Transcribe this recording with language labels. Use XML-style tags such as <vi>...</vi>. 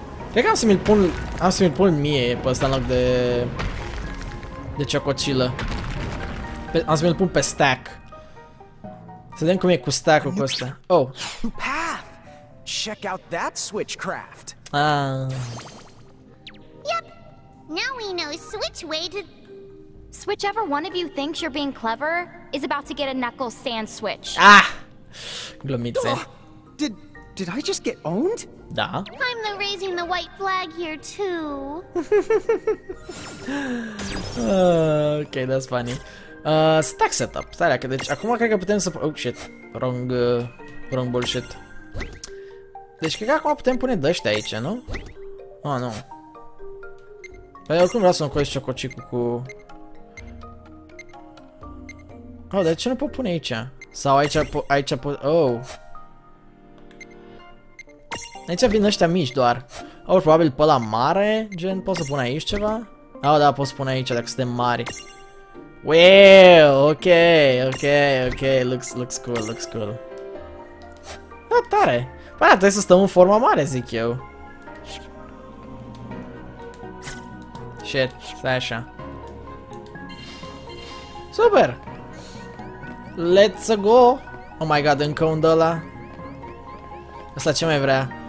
<ro>Cred că am să mi-l pun mie pe ăsta în loc de ciococilă. Am să mi-l pun pe stack. Să vedem cum e cu stack-ul cu ăsta. Oh.</ro> <en>Path. Check out that switchcraft. Ah. Yep. Now we know switch way to switch ever one of you thinks you're being clever is about to get a knuckle sand switch.</en> <ro>Ah. Glumițe.</ro> <en>Did I just get owned?</en> <ro>Da.</ro> <en>I'm the raising the white flag here too. Okay, that's funny.</en> <ro>Stack setup, stai că deci acum cred că putem să...</ro> <en>Oh, shit, wrong bullshit.</en> <ro>Deci cred că acum putem pune de-aștia aici, nu? Ah, nu. Păi oricum vreau să-mi coiesc ciococicul cu... Oh, dar de ce nu pot pune aici? Sau aici, aici, oh. Aici vin ăștia mici doar. Au probabil pe la mare, gen, pot să pun aici ceva? Ah, da, pot să pun aici dacă suntem mari.</ro> <en>Wow, ok, ok, ok, looks, looks cool, looks cool.</en> <ro>Da, tare. Păi da, trebuie să stăm în forma mare, zic eu. Shit, stai așa.</ro> <en>Super! Let's go! Oh my god,</en> <ro>încă un de-ala. Asta ce mai vrea?</ro>